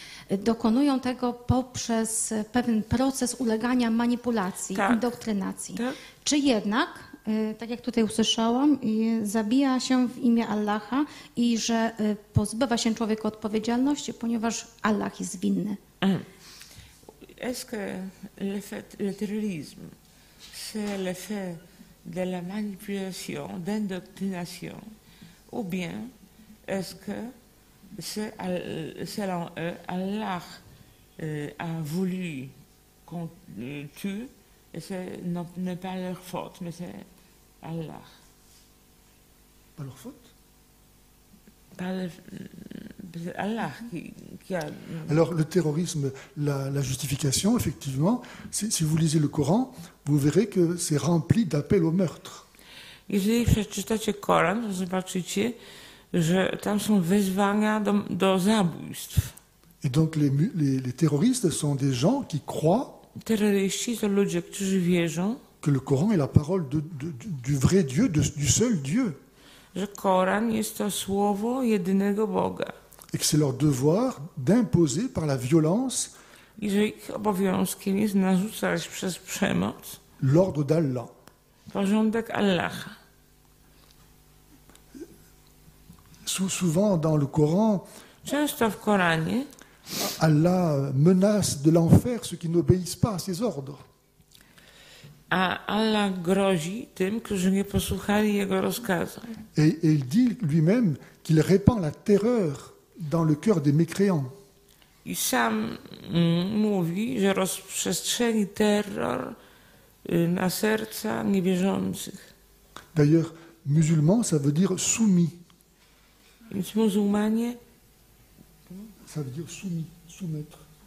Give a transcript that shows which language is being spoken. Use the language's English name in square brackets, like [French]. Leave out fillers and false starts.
[Polish] Dokonują tego poprzez pewien proces ulegania manipulacji, indoktrynacji. Czy jednak, tak jak tutaj usłyszałam, zabija się w imię Allaha i że pozbywa się człowieka odpowiedzialności, ponieważ Allah jest winny? [French] Est-ce que le terrorisme, c'est le fait de la manipulation, d'indoctrination, ou bien est-ce que c'est selon eux, Allah a voulu qu'on tue, et ce n'est pas leur faute, mais c'est Allah. Pas leur faute? C'est Allah qui a... Alors le terrorisme, la justification, effectivement, si vous lisez le Coran, vous verrez que c'est rempli d'appels au meurtre. [Polish] Jeżeli przeczytacie Koran, to zobaczycie, że tam są wezwania do zabójstw. [French] Et donc les terroristes sont des gens qui croient. [Polish] Terroryści to ludzie, którzy wierzą. [French] Que le Coran est la parole du vrai Dieu, du seul Dieu. [Polish] Że Koran jest to słowo jedynego Boga. [French] Et que c'est leur devoir d'imposer par la violence. [Polish] I że ich obowiązkiem jest narzucać przez przemoc [French] l'ordre d'Allah. [Polish] Porządek Allaha. [French] Souvent dans le Coran, [Polish] często w Koranie [French] Allah menace de l'enfer ceux qui n'obéissent pas à ses ordres. [Polish] A Allah grozi tym, którzy nie posłuchali jego rozkazu. [French] Et il dit lui-même qu'il répand la terreur dans le cœur des mécréants. [Polish] I sam mówi, że rozprzestrzeni terror na serca niewierzących. [French] D'ailleurs, musulman, ça veut dire soumis. [Polish] Więc muzułmanie? [French] Ça veut dire soumis, soumettre.